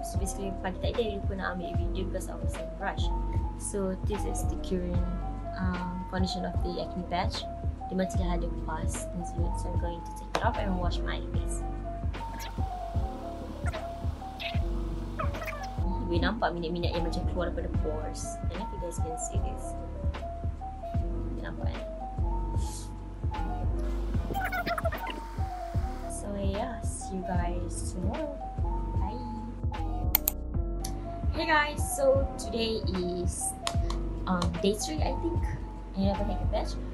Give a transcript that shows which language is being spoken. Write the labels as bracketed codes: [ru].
[en] So basically [ms] pagi tadi dia pun nak ambil [en] video because I was in rush. So this is the current condition of the acne patch. [ms] Dia macam dah ada [en] pus. So I'm going to take it off and wash my face. [ms] boleh nampak minyak-minyak yang macam keluar daripada pores. [en] I don't know if you guys can see this. [ms] Boleh nampak kan? [en] So yeah, see you guys tomorrow. Bye. Hey guys, so today is day 3 I think. [ms] Ini dah pakai [en] patch.